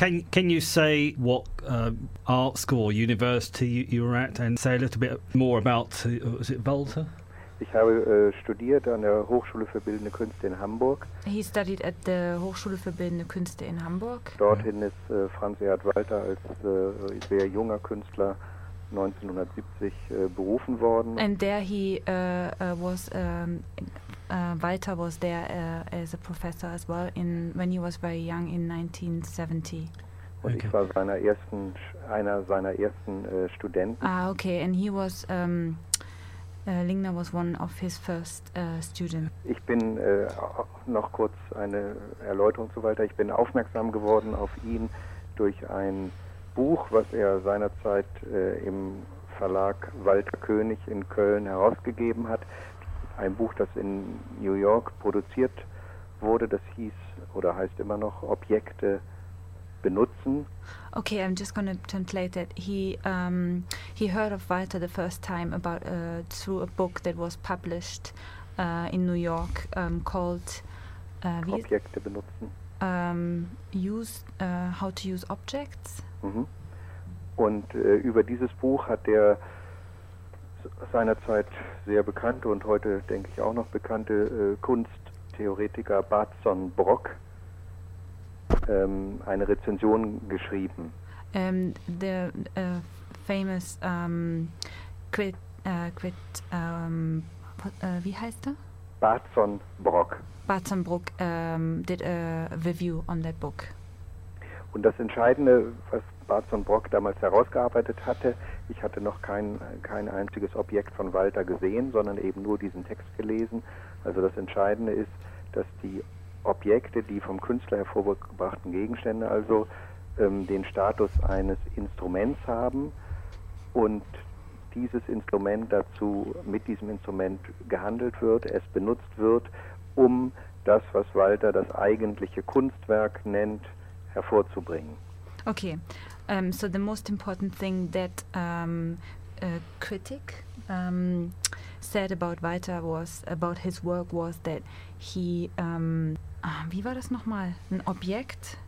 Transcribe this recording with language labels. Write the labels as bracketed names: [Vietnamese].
[English] Can you say what art school or university you were at and say a little bit more about, was it Walter? [German] Ich habe studiert an der Hochschule für Bildende Künste in Hamburg. [English] He studied at the Hochschule für Bildende Künste in Hamburg. [German] Dorthin ist Franz Erhard Walter als sehr junger Künstler 1970 berufen worden. [English] And there he was, Walter was there as a professor as well when he was very young in 1970. [German] Und okay. Ich war einer seiner ersten Studenten. [English] Ah, okay, and he was, Lingner was one of his first students. [German] Ich bin noch kurz eine Erläuterung zu Walter. Ich bin aufmerksam geworden auf ihn durch ein Buch, was er seinerzeit im Verlag Walter König in Köln herausgegeben hat. Ein Buch, das in New York produziert wurde, das hieß oder heißt immer noch Objekte benutzen. [English] Okay, I'm just going to translate it. He heard of Walter the first time about through a book that was published in New York called [German] Objekte benutzen. [English] How to use objects. Mhm. [German] Und über dieses Buch hat der seinerzeit sehr bekannte und heute denke ich auch noch bekannte Kunsttheoretiker Batson Brock eine Rezension geschrieben. Wie heißt er? Batson Brock. [English] Batson Brock did a review on that book. [German] Und das Entscheidende, was Batson Brock damals herausgearbeitet hatte, ich hatte noch kein einziges Objekt von Walter gesehen, sondern eben nur diesen Text gelesen. Also das Entscheidende ist, dass die Objekte, die vom Künstler hervorgebrachten Gegenstände also, den Status eines Instruments haben und dieses Instrument dazu, mit diesem Instrument gehandelt wird, es benutzt wird, um das, was Walter das eigentliche Kunstwerk nennt, hervorzubringen. [English] Okay, so the most important thing that a critic said about Walter was, about his work was that he, [German] wie war das nochmal, ein Objekt?